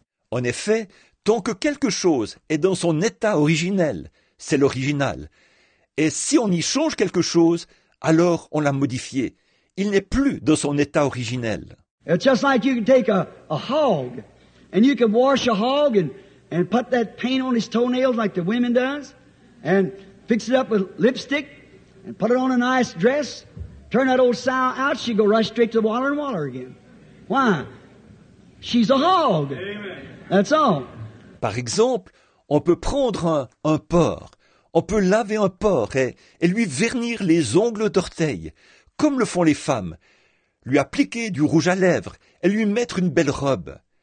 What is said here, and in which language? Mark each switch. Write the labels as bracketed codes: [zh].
[fr] En effet, tant que quelque chose est dans son état originel, c'est l'original. Et si on y change quelque chose, alors on l'a modifié. Il n'est plus dans son état originel. [en] It's just like you can take a hog, and you can wash a hog and put that paint on his toenails like the women does, and fix it up with lipstick, and put it on a nice dress, turn that old sow out, she go right straight to the water and water again. Why? She's a hog. Amen. That's all. [fr] Par exemple, on peut prendre un porc. On peut laver un porc et lui vernir les ongles d'orteil, comme le font les femmes. Lui appliquer du rouge à lèvres et lui mettre une belle robe.